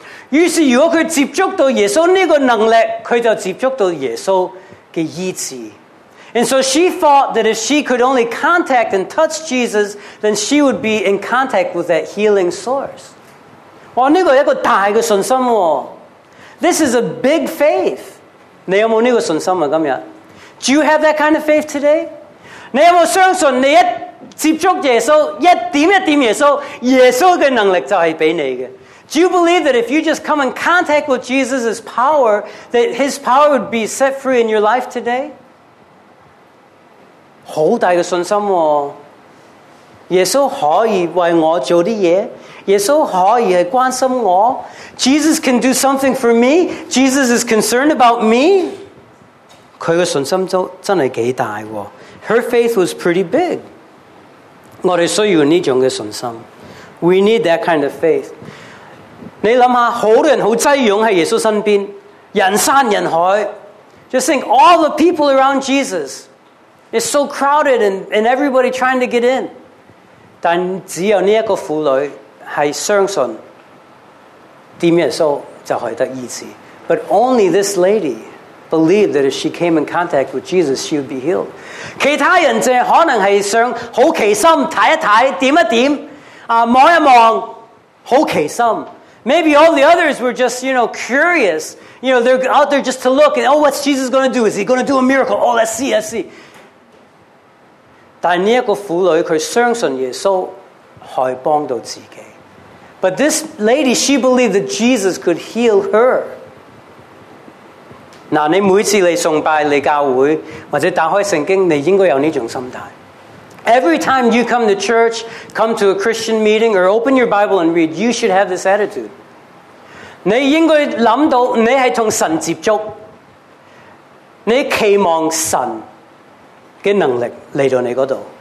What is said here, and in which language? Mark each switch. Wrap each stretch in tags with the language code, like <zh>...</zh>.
<zh>于是如果她接触到耶稣这个能力，她就接触到耶稣的医治。</zh> <en>And so she thought that if she could only contact and touch Jesus, then she would be in contact with that healing source.</en> <zh>哇，这个一个大的信心哦。</zh> <en>This is a big faith.</en> <zh>你有没有这个信心啊？今天</zh> <en>Do you have that kind of faith today?</en> <zh>你有没有相信你一接触耶稣，一点一点耶稣，耶稣的能力就是给你的？</zh> <en>Do you believe that if you just come in contact with Jesus' power, that his power would be set free in your life today?</en> <zh>好大的信心哦！耶稣可以为我做的事，耶稣可以是关心我。</zh> <en>Jesus can do something for me. Jesus is concerned about me.</en> <zh>她的信心真的挺大的。</zh> <en>Her faith was pretty big.</en> <zh>我们需要这种信心。</zh> <en>We need that kind of faith.</en> <zh>你想想，好多人很挤拥在耶稣身边，人山人海。</zh> <en>Just think, all the people around Jesus. It's so crowded and everybody trying to get in.</en> <zh>但只有这个妇女是相信点耶稣就可以得医治。</zh> <en>But only this lady believed that if she came in contact with Jesus, she would be healed.</en> <zh>其他人只可能是想好奇心看一看，点一点，摸一摸，好奇心。</zh> <en>Maybe all the others were just, you know, curious. You know, they're out there just to look and, oh, what's Jesus going to do? Is he going to do a miracle? Oh, let's see, let's see.</en> <zh>但这个妇女她相信耶稣可以帮到自己。</zh> <en>But this lady, she believed that Jesus could heal her.</en> <zh>那你每次你崇拜你教会或者打开圣经，你应该有这种心态。</zh> <en>Every time you come to church, come to a Christian meeting, or open your Bible and read, you should have this attitude.</en> <zh>你应该想到你是跟神接触，你期望神的能力来到你那里。</zh>